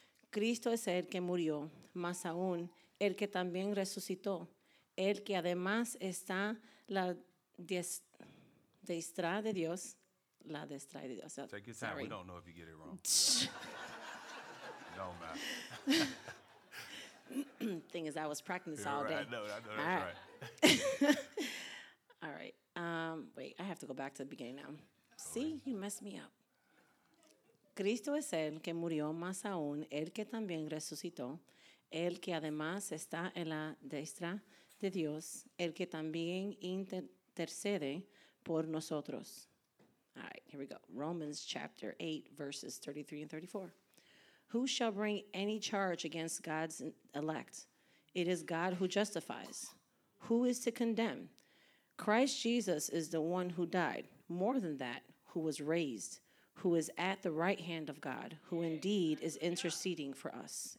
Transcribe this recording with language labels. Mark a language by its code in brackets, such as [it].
[es] Cristo es el que murió, más aún, el que también resucitó, el que además está la diestra de Dios, la diestra de Dios. [en] Take your time. Sorry. We don't know if you get it wrong. No, man. <matter. laughs> Thing is, I was practicing this all day. I know that's right. All right. Wait, I have to go back to the beginning now. See, you messed me up. [es] Cristo es el que murió, más aún, el que también resucitó, el que además está en la diestra de Dios, el que también intercede por nosotros. [en] All right, here we go. Romans chapter 8, verses 33 and 34. Who shall bring any charge against God's elect? It is God who justifies. Who is to condemn? Christ Jesus is the one who died, more than that, who was raised, who is at the right hand of God, who indeed is interceding for us.